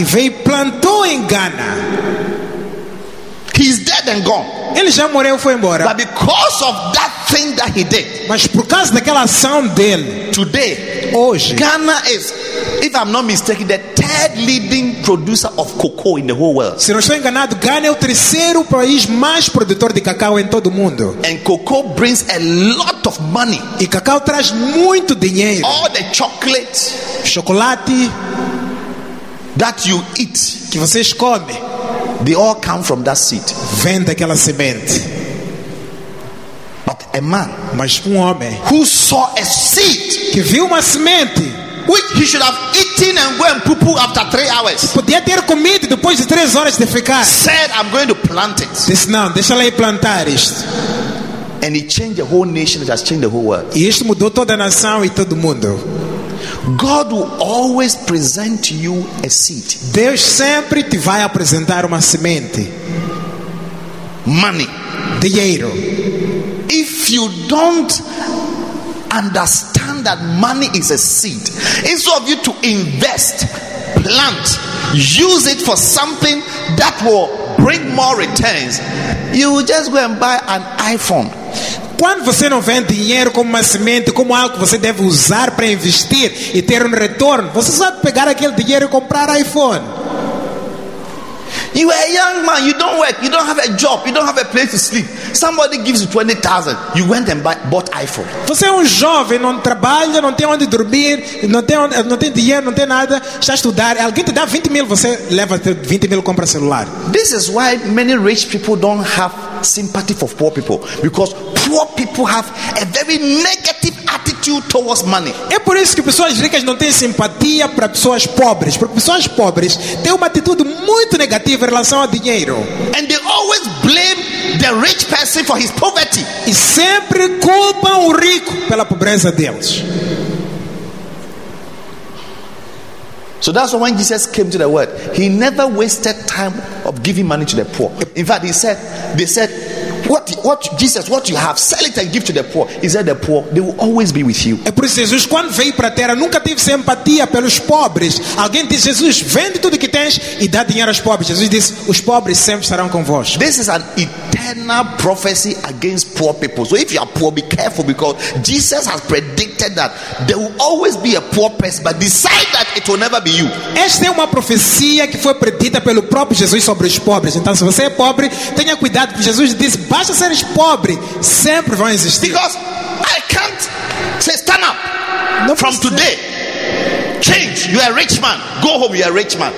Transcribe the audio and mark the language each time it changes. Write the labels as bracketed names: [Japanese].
[Portuguese] E veio plantou em Ghana. [English] He's dead and gone. [Portuguese] Ele já morreu, foi embora. [English] But because of that thing that he did. [Portuguese] Mas por causa daquela ação dele. [English] Today, [Portuguese] hoje, [English] Ghana is, if I'm not mistaken, the third leading producer of cocoa in the whole world. [Portuguese] Se não estou enganado, Ghana é o terceiro país mais produtor de cacau em todo o mundo. [English] And cocoa brings a lot of money. [Portuguese] E cacau traz muito dinheiro. [English] All the chocolate, [Portuguese] chocolate [English] that you eat, [Portuguese] que vocês comem, [English] they all come from that seed. [Portuguese] Vem daquela semente. [English] But a man, [Portuguese] mas um homem, [English] who saw a seed, [Portuguese] que viu uma semente, [English] which he should have eaten and go and poo-poo after 3 hours. [Portuguese] Podia ter comido depois de 3 horas de ficar. [English] Said, I'm going to plant it. [Portuguese] Disse, não, deixa lá plantar isto. [English] And it changed the whole nation. It has changed the whole world. [Portuguese] E isto mudou toda a nação e todo mundo. [English] God will always present you a seed. [Portuguese] Deus sempre te vai apresentar uma semente. [English] Money. [Portuguese] Dinheiro. [English] If you don't understand that money is a seed, instead of you to invest, plant, use it for something that will bring more returns, you will just go and buy an iPhone. [Portuguese] Quando você não vende dinheiro como uma semente, como algo que você deve usar para investir e ter um retorno, você sabe pegar aquele dinheiro e comprar iPhone. [English] You are a young man, you don't work, you don't have a job, you don't have a place to sleep. Somebody gives you 20,000, you went and bought iPhone. [Portuguese] Você é jovem, não trabalha, não tem onde dormir, não tem dinheiro, não tem nada, está a estudar. Alguém te dá 20 mil, você leva 20 mil e compra celular. [English] This is why many rich people don't have sympathy for poor people, because poor people have a very negative attitude towards money. [Portuguese] É por isso que pessoas ricas não têm simpatia para pessoas pobres, porque pessoas pobres têm uma atitude muito negativa em relação ao dinheiro. [English] And they always blame the rich person for his poverty. [Portuguese] E sempre culpam o rico pela pobreza deles. [English] So that's why when Jesus came to the world, he never wasted time of giving money to the poor. In fact, they said, what Jesus, what you have, sell it and give to the poor. He said, the poor, they will always be with you. [Portuguese] É por isso que Jesus, quando veio para a terra, nunca teve simpatia pelos pobres. Alguém disse, Jesus, vende tudo que tens e dá dinheiro aos pobres. Jesus disse, os pobres sempre estarão convosco. [English] This is an eternal prophecy against poor people. So if you are poor, be careful, because Jesus has predicted that there will always be a poor person, but decide that it will never be you. [Portuguese] Esta é uma profecia que foi predita pelo próprio Jesus sobre os pobres. Então, se você é pobre, tenha cuidado, porque Jesus disse, basta seres pobre, sempre vão existir. [English] Because I can't say stand up. [Portuguese] Não [English] from [Portuguese] posso [English] today change, you are a rich man, go home, you are a rich man.